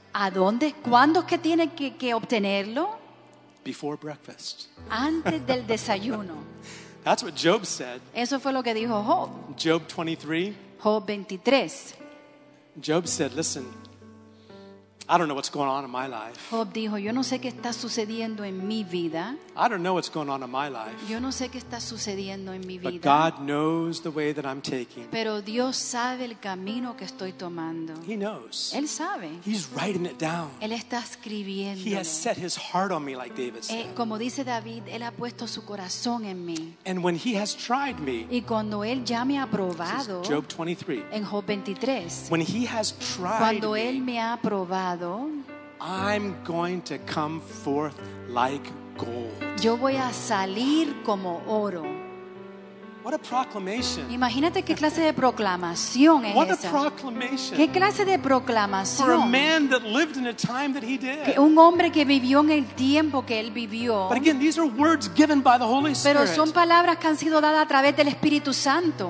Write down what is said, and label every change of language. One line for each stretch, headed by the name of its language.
Spanish: ¿A dónde? ¿Cuándo es que tiene que obtenerlo?
English: Before breakfast.
Spanish: Antes del desayuno.
English: That's what Job said.
Spanish: Eso fue lo que dijo Job.
English: Job 23.
Spanish: Job 23.
English: Job said, listen, I don't know what's going on in my life.
Spanish: Job dijo, yo no sé qué está sucediendo en mi vida.
English: I don't know what's going on in my life.
Spanish: Yo no sé qué está sucediendo en mi vida.
English: But God knows the way that I'm taking.
Spanish: Pero Dios sabe el camino que estoy tomando.
English: He knows.
Spanish: Él sabe.
English: He's writing it down.
Spanish: Él está escribiendo.
English: He has set his heart on me, like David said.
Spanish: Como dice David, él ha puesto su corazón en mí.
English: And when he has tried me.
Spanish: Y cuando él ya me ha probado.
English: Job 23.
Spanish: En Job 23.
English: When he has tried
Spanish: cuando él me, me ha probado.
English: I'm going to come forth like gold.
Spanish: Yo voy a salir como oro.
English: What a proclamation.
Spanish: Imagínate qué clase de proclamación es esa.
English: What a proclamation.
Spanish: ¿Qué clase de proclamación?
English: For a man that lived in a time that he did.
Spanish: Un hombre que vivió en el tiempo que él vivió.
English: But again, these are words given by the Holy Spirit.
Spanish: Pero son palabras que han sido dadas a través del Espíritu Santo.